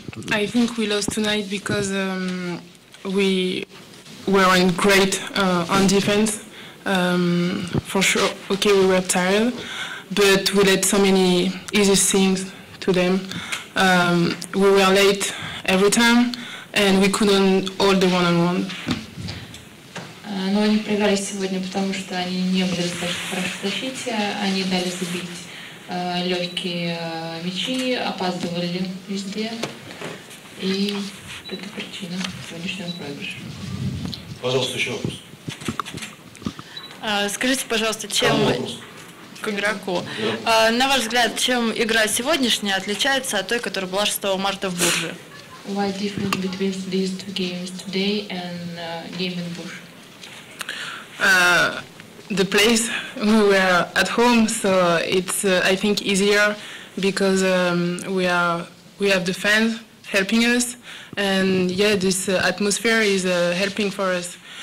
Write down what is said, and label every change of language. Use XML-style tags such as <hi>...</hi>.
<en>I think we lost tonight because we were in great on defense. For sure, okay, we were tired, but we let so many easy things to them. We were late every time, and we couldn't hold the one-on-one.</en> <ru>Но они проиграли сегодня, потому что они не были достаточно хорошо в защите, они дали забить легкие мячи, опаздывали везде, и это причина сегодняшнего проигрыша. Пожалуйста, еще вопрос. Скажите, пожалуйста, чем... К игроку. Да. На ваш взгляд, чем игра сегодняшняя отличается от той, которая была 6 марта в Бурже?</ru> <en>Why different between these two games today and game in Bush? The place we were at home, so it's I think easier because we have the fans helping us, and yeah, this atmosphere is helping for us.</en>